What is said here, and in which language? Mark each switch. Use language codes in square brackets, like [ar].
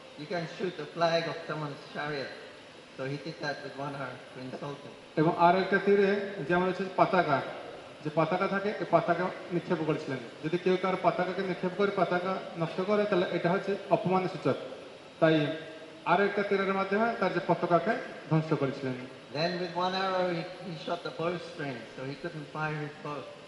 [en] You can shoot the flag off someone's chariot. So he did that with one arm to insult him. [bn] এবং আর একটা তীরে যেমন হচ্ছে পতাকা যে পতাকা থাকে এই পতাকা নিক্ষেপ করেছিলেন যদি কেউ কারো পতাকাকে নিক্ষেপ করে পতাকা নষ্ট করে তাহলে এটা হচ্ছে অপমান সূচক তাই আর একটা তীরের মাধ্যমে তার যে পতাকাকে ধ্বংস করেছিলেন [en] Then with one arrow he shot the bowstring so he couldn't fire his bow.